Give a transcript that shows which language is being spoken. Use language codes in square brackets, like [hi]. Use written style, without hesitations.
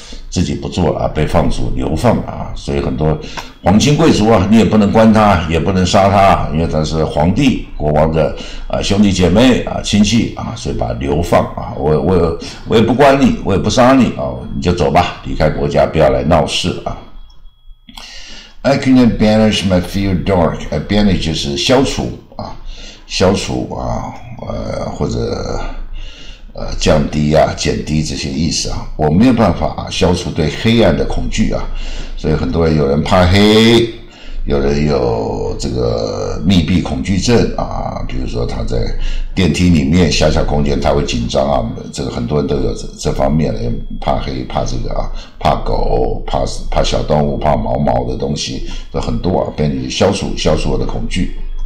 [zh] 自己不做了啊，被放逐流放啊，所以很多皇亲贵族啊，你也不能关他，也不能杀他，因为他是皇帝国王的兄弟姐妹啊亲戚啊，所以把流放啊，我也不关你，我也不杀你啊，你就走吧，离开国家，不要来闹事啊。 [en] I couldn't banish my fear dark. [zh] I banish 就是消除啊，消除啊，或者降低啊，减低这些意思啊，我没有办法啊消除对黑暗的恐惧啊。所以很多人有人怕黑，有人有这个密闭恐惧症啊，比如说他在电梯里面狭小空间他会紧张啊，这个很多人都有这方面的，怕黑怕这个啊，怕狗怕小动物怕毛毛的东西，这很多啊，便于消除我的恐惧。